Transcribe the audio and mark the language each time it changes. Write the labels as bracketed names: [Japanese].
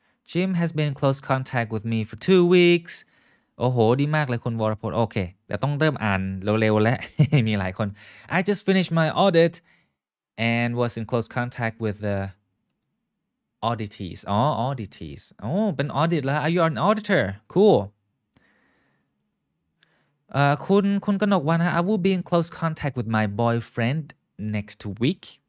[English] Jim has been in close contact with me for 2 weeks. [Thai] Oh, ho, ดีมากเลยคุณวรพลโอเคแต่ต้องเริ่มอ่านเร็วๆแล้วมีหลายคน [English] I just finished my audit. And was in close contact with the auditees. Oh, auditees. Oh, been audit lah. Are you an auditor? Cool. คุณกนกวรรณะ I will be in close contact with my boyfriend next week.